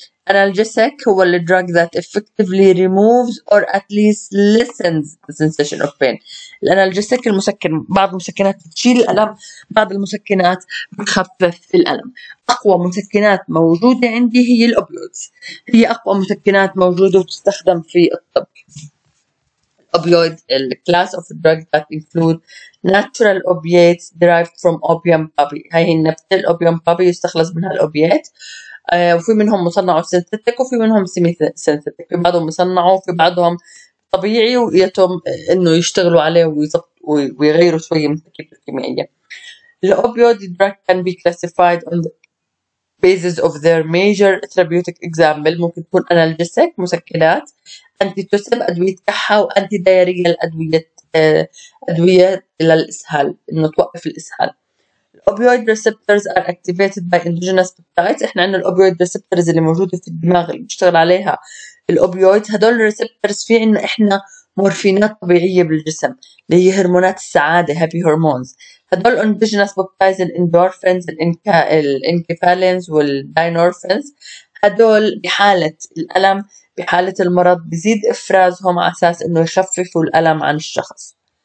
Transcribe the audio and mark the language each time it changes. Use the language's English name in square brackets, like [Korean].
[English] Analgesic [Arabic] هو الـ [English] drug that effectively removes or at least lessens the sensation of pain. [Arabic] الانالجيسيك المسكن، بعض المسكنات بتشيل الألم، بعض المسكنات بتخفف الألم. أقوى مسكنات موجودة عندي هي الأوبيويدز، هي أقوى مسكنات موجودة وتستخدم في الطب. الأوبيويد الـ [English] class of drugs that include natural opiates derived from opium poppy. [Arabic] هاي هي النبتة الأوبيوم بابي، يستخلص منها الأوبيات. وفي منهم مصنع سينثيتك وفي منهم سيمي سينثيتك، في بعضهم مصنع وفي بعضهم طبيعي ويتم انه يشتغلوا عليه ويغيروا شويه من التركيبة الكيميائية. [English] الاوبيويد drug can be classified on basis of their major therapeutic example, [Arabic] ممكن تكون انالجيسيك مسكنات، انتي توسب ادويه كحه، وانتي دايريه ادويه للاسهال انه توقف الاسهال. [English] Opioid receptors are activated by endogenous peptides. [Arabic] إحنا عندنا الأوبيويد receptors اللي موجودة في الدماغ اللي بيشتغل عليها الأوبيويد. هدول receptors في عنا إحنا مورفينات طبيعية بالجسم اللي هي هرمونات السعادة [English] happy hormones. [Arabic] هدول endogenous peptides الendorphins الانكفالينز والدينورفينز، هدول بحالة الألم بحالة المرض بيزيد إفرازهم على أساس إنه يخففوا الألم عن الشخص.